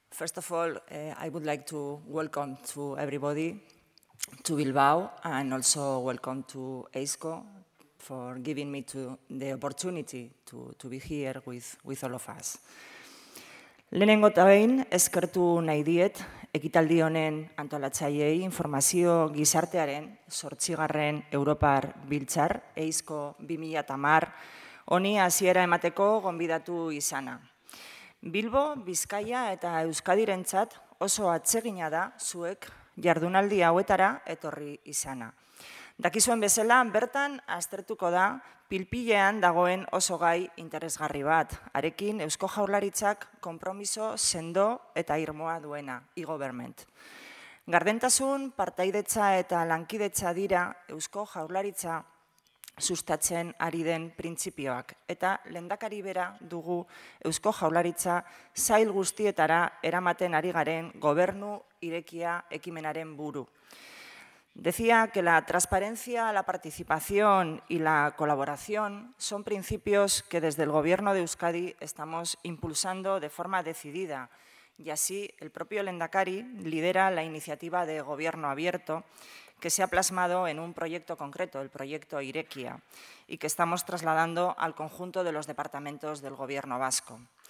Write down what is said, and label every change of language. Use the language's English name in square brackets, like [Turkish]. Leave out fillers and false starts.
[English] First of all, I would like to welcome to everybody to Bilbao and also welcome to EISCO for giving me the opportunity to be here with all of us. [Basque] Lehenengo eta behin, eskertu nahi diet, ekitaldi honen antolatzaileei informazio gizartearen 8. Europar Biltzar, EISCO 2010, honi hasiera emateko gonbidatu izana. Bilbo, Bizkaia eta Euskadirentzat oso atsegina da zuek jardunaldi hauetara etorri izana. Dakizuen bezala, bertan aztertuko da pilpilean dagoen oso gai interesgarri bat, arekin Eusko Jaurlaritzak konpromiso sendo eta irmoa duena, e-government. Gardentasun, partaidetza eta lankidetza dira Eusko Jaurlaritza sustatzen ari den printzipioak, eta lehendakari bera dugu Eusko Jaurlaritza sail guztietara eramaten ari garen gobernu irekia ekimenaren buru. [Spanish] Decía que la transparencia, la participación y la colaboración son principios que desde el Gobierno de Euskadi estamos impulsando de forma decidida. Y así, el propio Lehendakari lidera la iniciativa de Gobierno Abierto que se ha plasmado en un proyecto concreto, el proyecto Irekia, y que estamos trasladando al conjunto de los departamentos del Gobierno Vasco.